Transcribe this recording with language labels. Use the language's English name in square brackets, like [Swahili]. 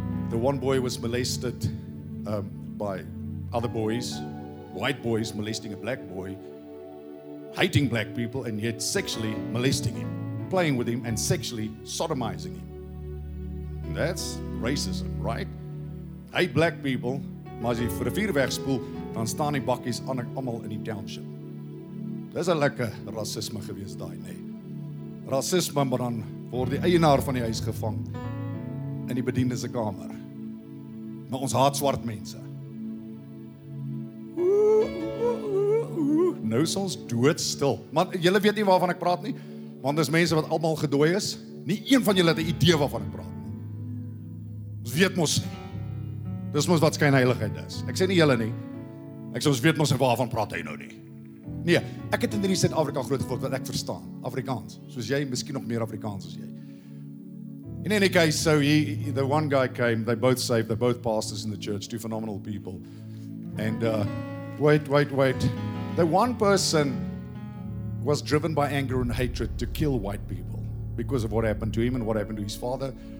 [English] The one boy was molested by other boys, white boys molesting a black boy, hating black people and yet sexually molesting him, playing with him and sexually sodomizing him. That's racism, right? Hate black people, [Afrikaans] Maar as jy vir 'n vuur wegspoel, dan staan die bakkies almal in die township. Dis 'n lekker rasisme gewees daai, nê. Rasisme, maar dan word die eienaar van die huis gevang in die bediende se kamer. Maar ons haat swart mense. Nou is ons doodstil. Man, julle weet nie waarvan ek praat nie. Want dis mense wat almal gedooi is. Nie een van julle het 'n idee waarvan ek praat nie. Ons weet mos nie. Dis mos wat skynheiligheid is. Ek sê nie julle nie. Ek sê ons weet mos waarvan praat hy nou nie. Nee, ek het in hierdie Suid-Afrika groot geword wat ek verstaan. Afrikaans. Soos jy, miskien nog meer Afrikaans as jy. [English] In any case, so the one guy came. They both saved. They're both pastors in the church. Two phenomenal people. And wait. The one person was driven by anger and hatred to kill white people because of what happened to him and what happened to his father.